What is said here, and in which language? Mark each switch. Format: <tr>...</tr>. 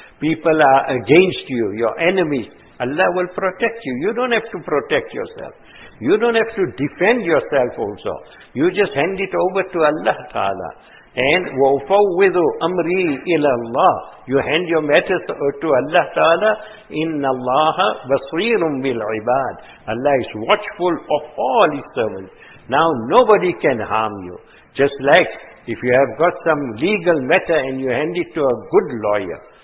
<en>People are against you, your enemies. Allah will protect you. You don't have to protect yourself. You don't have to defend yourself also. You just hand it over to Allah Ta'ala.</en> <ar>And وَفَوِّذُ أَمْرِي إِلَى اللَّهِ.</ar> <en>You hand your matters to Allah Ta'ala.</en> <ar>إِنَّ اللَّهَ بَصِيرٌ بِالْعِبَادِ.</ar> <en>Allah is watchful of all His servants. Now nobody can harm you. Just like if you have got some legal matter and you hand it to a good lawyer.</en>